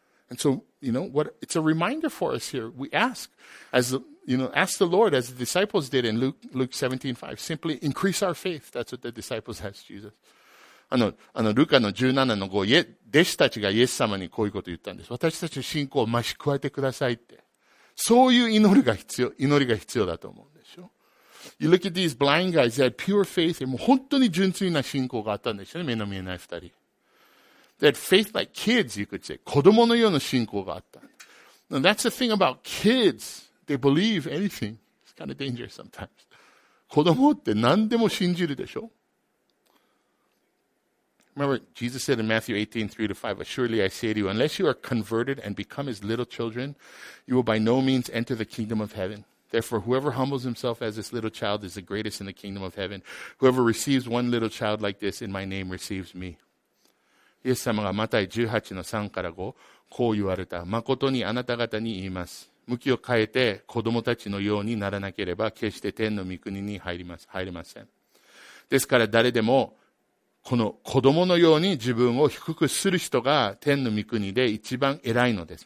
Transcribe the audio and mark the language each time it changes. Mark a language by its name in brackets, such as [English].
[English] And so, you know, what, it's a reminder for us here. We ask, as theYou know, ask the Lord as the disciples did in Luke 17:5. Simply increase our faith. That's what the disciples asked Jesus. [Japanese] ルカの 17-5, 弟子たちがイエス様にこういうこと言ったんです。私たちの信仰を増し加えてくださいって。そういう祈りが必要だと思うんでしょ。 [English] You look at these blind guys, they had pure faith. [Japanese] もう本当に純粋な信仰があったんでしょうね。目の見えない二人。 [English] They had faith like kids, you could say. [Japanese] 子供のような信仰があった。 [English] Now, that's the thing about kids. They believe anything. It's kind of dangerous sometimes. [Japanese] 子供って何でも信じるでしょ? [English] Remember, Jesus said in Matthew 18:3-5, Assuredly I say to you, unless you are converted and become as little children, you will by no means enter the kingdom of heaven. Therefore, whoever humbles himself as this little child is the greatest in the kingdom of heaven. Whoever receives one little child like this in my name receives me. [Japanese] イエス様がマタイ 18:3-5, こう言われた。誠にあなた方に言います。向きを変えて子供たちのようにならなければ決して天の御国に入れません。ですから誰でもこの子供のように自分を低くする人が天の御国で一番偉いのです。